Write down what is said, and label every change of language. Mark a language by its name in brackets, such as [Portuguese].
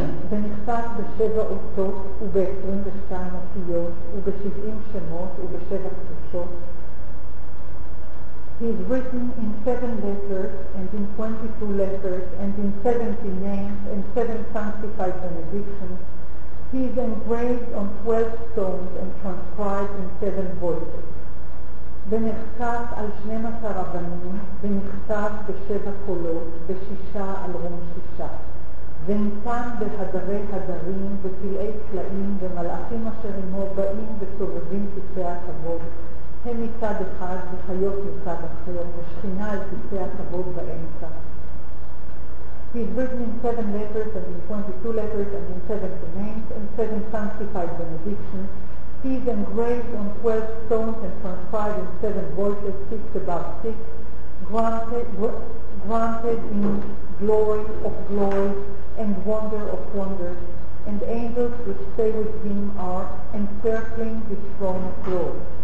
[Hebrew] ונכתב בשבע אותות וב-22 אותיות וב-70 שמות וב-7 קדושות. [English] He is written in 7 letters and in 22 letters and in 70 names and 7 sanctified benedictions. He is engraved on 12 stones and transcribed in 7 voices. [Hebrew] ונכתב על 12 אבנים ונכתב בשבע קולות בשישה על רום שישה. וניתן בהדרי הדרים ופלאי קלעים ומלאכים אשר עמו באים וסובבים כתפי הכבוד. הם מצד אחד וחיות מצד אחר ושכינה על כתפי הכבוד באמצע. [English] He's written in 7 letters and in 22 letters and in 7 names and 7 sanctified benedictions. He's engraved on 12 stones and transcribed in 7 voices, 6 above 6. Granted in glory of glory and wonder of wonders, and angels which stay with him are encircling the throne of glory.